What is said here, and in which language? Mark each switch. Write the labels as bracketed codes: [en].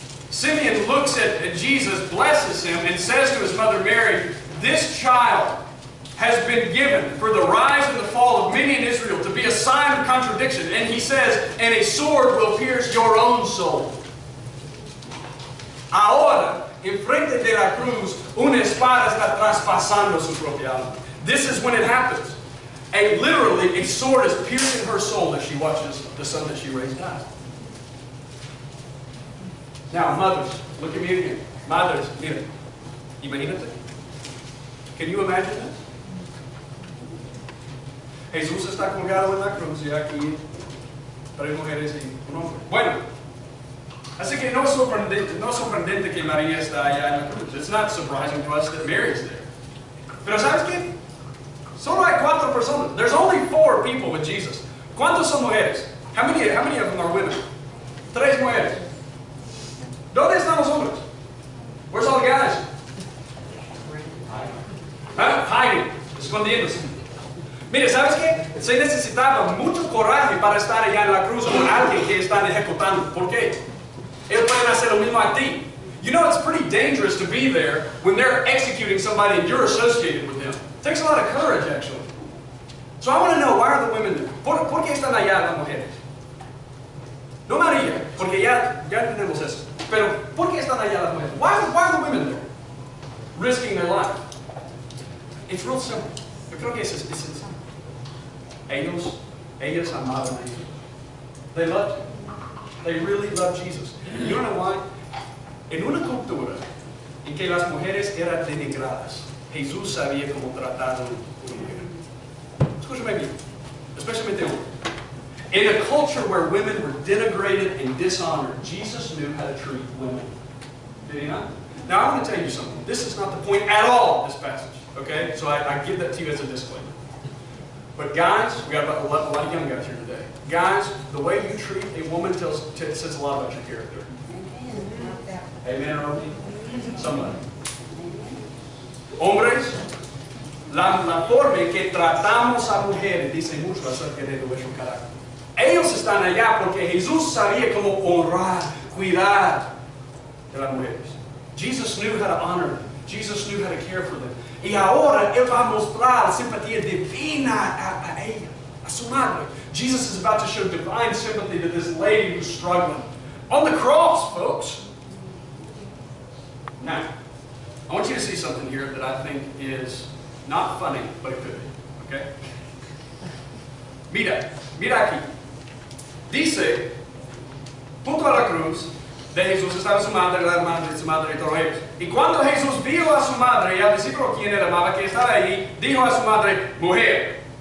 [en] Simeon looks at Jesus, blesses him, and says to his mother Mary, this child has been given for the rise and the fall of many in Israel to be a sign of contradiction. And he says, and a sword will pierce your own soul. [es] Ahora, enfrente de la cruz, una espada está traspasando su propia alma. [en] This is when it happens. Literally, a sword is piercing her soul as she watches the son that she raised die. Now, mothers, look at me again. Mothers, [es] mira. Imagínate. [en] Can you imagine this? [es] Jesús está colgado en la cruz y aquí tres mujeres y un hombre. Bueno, así que no sorprendente que María está allá en la cruz. [en] It's not surprising to us that Mary is there. [es] Pero ¿sabes qué? Solo hay cuatro personas. [en] There's only four people with Jesus. [es] ¿Cuántos son mujeres? [en] How many of them are women? [es] Tres mujeres. ¿Dónde están los hombres? [en] Where's all the guys? Hiding. [es] Escondiéndose. Mire, ¿sabes qué? Se necesitaba mucho coraje para estar allá en la cruz con alguien que están ejecutando. ¿Por qué? Ellos pueden hacer lo mismo a ti. [en] You know, it's pretty dangerous to be there when they're executing somebody and you're associated with them. It takes a lot of courage, actually. So I want to know, why are the women there? [es] ¿Por qué están allá las mujeres? No María, porque ya entendemos eso. Pero, ¿por qué están allá las mujeres? [en] Why are the women there? Risking their life. It's real simple. [es] Yo creo que es sencillo. Ellas amaban a Jesus. [en] They loved him. They really loved Jesus. You don't know why? [es] En una cultura en que las mujeres eran denigradas, Jesús sabía cómo tratar a una mujer. Escúchame bien. Especialmente uno. [en] In a culture where women were denigrated and dishonored, Jesus knew how to treat women. Did he not? Now, I'm going to tell you something. This is not the point at all, this passage. Okay? So I give that to you as a disclaimer. But guys, we got about a lot of young guys here today. Guys, the way you treat a woman says a lot about your character. Amen, Romy? Somebody. [es] Hombres, la forma en que tratamos a mujeres dice mucho acerca de nuestro carácter. Ellos están allá porque Jesús sabía cómo honrar, cuidar de las mujeres. [en] Jesus knew how to honor them. Jesus knew how to care for them. [es] Y ahora Él va a mostrar la simpatía divina a ella, a su madre. [en] Jesus is about to show divine sympathy to this lady who's struggling. On the cross, folks. Now, I want you to see something here that I think is not funny, but it could be. [es] Okay? Mira aquí. Dice, junto a la cruz de Jesús estaba su madre, la hermana de su madre y todos ellos. Y cuando Jesús vio a su madre y al discípulo quien era amaba que estaba ahí, dijo a su madre, mujer.